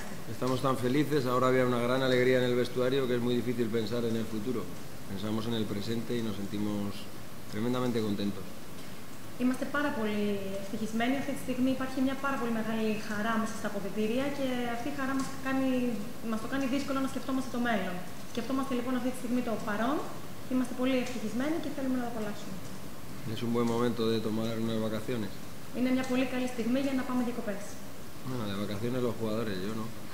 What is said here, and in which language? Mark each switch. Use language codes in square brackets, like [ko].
[es] Estamos tan felices, ahora había una gran alegría en el vestuario que es muy difícil pensar en el futuro. Pensamos en el presente y nos sentimos tremendamente contentos. [el] Είμαστε πάρα πολύ ευτυχισμένοι. Αυτή τη στιγμή υπάρχει μια πάρα πολύ μεγάλη χαρά μέσα στα αποδυτήρια και αυτή η χαρά μας το κάνει δύσκολο να σκεφτόμαστε το μέλλον. Σκεφτόμαστε λοιπόν αυτή τη στιγμή το παρόν. Είμαστε πολύ ευτυχισμένοι και θέλουμε να το απολαύσουμε. [es] Es un buen momento de tomar unas vacaciones. [el] Είναι μια πολύ καλή στιγμή για να πάμε διακοπές. [es] Bueno, de vacaciones los jugadores, yo no.